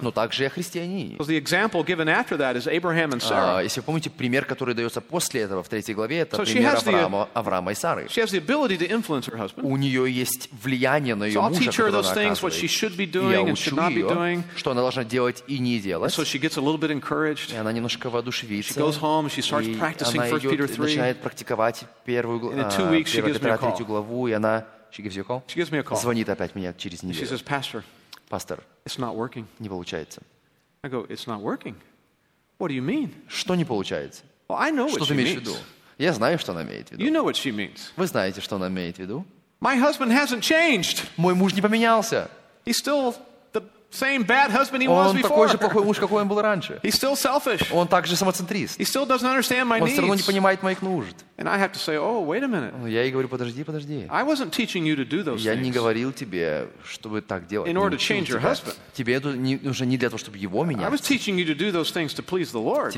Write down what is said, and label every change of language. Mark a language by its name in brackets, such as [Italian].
[Russian] Но также и о христианине. Если вы помните пример, который дается после этого в третьей главе, это пример Авраама и Сары. У нее есть влияние на ее мужа, которое она оказывает. И я учу ее, что она должна делать и не делать. [English] She gets a little bit encouraged. [Russian] И она немножко воодушевится. [English] She goes home and she starts practicing 1 Peter 3. [Russian] Начинает практиковать первую главу. [English] In 2 weeks she gives me a call. She gives you a call. She gives me a call. [Russian] Звонит опять мне через неделю. [English] She says, Pastor. Pastor. It's not working. [Russian] Не получается. [English] I go, it's not working. What do you mean? [Russian] Что не получается? [English] Well, I know what [Russian] что [English] she means. [Russian] Что ты имеешь в виду? Я знаю, что она имеет в виду. [English] You know what she means. [Russian] Вы знаете, что она имеет в виду? [English] My husband hasn't changed. [Russian] Мой муж не поменялся. [English] He's still same bad husband he [Russian] он [English] was before. [Russian] Такой же плохой муж, какой он был раньше. [English] He's still selfish. [Russian] Он также самоцентрист. [English] He still doesn't understand my [Russian] он все равно [English] needs. [Russian] Не понимает моих нужд. [English] And I have to say, oh, wait a minute. [Russian] Я ей говорю, подожди. [English] I wasn't teaching you to do those [Russian] я [English] things. [Russian] Не говорил тебе, чтобы так делать. [English] In order to change your husband. [Russian] Тебе это нужно не для того, чтобы его менять. [English] I was teaching you to do those things to please the Lord.